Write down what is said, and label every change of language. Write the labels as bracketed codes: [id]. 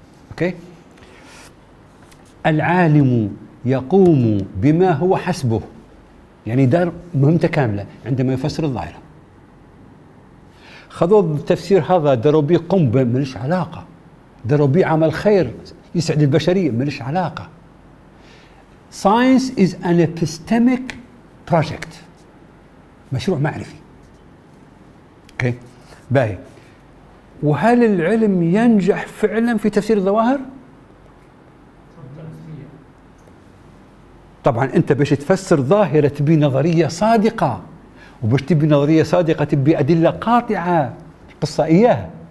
[ar] أوكي؟ العالم يقوم بما هو حسبه، يعني دار مهمته كاملة عندما يفسر الظاهرة. خذوا التفسير هذا داروا به قنبة ملش علاقة، داروا به عمل خير يسعد البشرية ملش علاقة. [en] Science is an epistemic project، [ar] مشروع معرفي. اوكي باهي. وهل العلم ينجح فعلا في تفسير الظواهر؟ طبعا انت باش تفسر ظاهرة تبي نظرية صادقة، وباش تبي نظرية صادقة تبي أدلة قاطعة قصة إياها.